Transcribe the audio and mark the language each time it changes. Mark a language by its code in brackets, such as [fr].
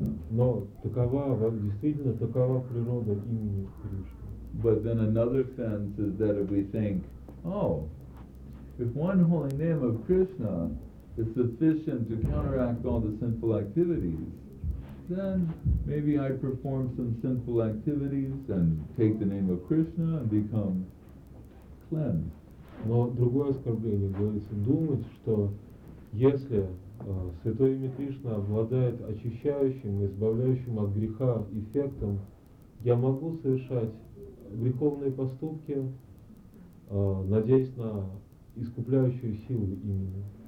[ru] Но такова, действительно, такова природа имени Кришны. [en] But then another sense is that if we think, oh, if one holy name of Krishna is sufficient to counteract all the sinful activities, then maybe I perform some sinful activities and take the name of Krishna and become cleansed. [ru] Но другое оскорбление говорится, думать, что если святое имя Кришна обладает очищающим и избавляющим от греха эффектом, я могу совершать греховные поступки, надеясь на искупляющую силу имени.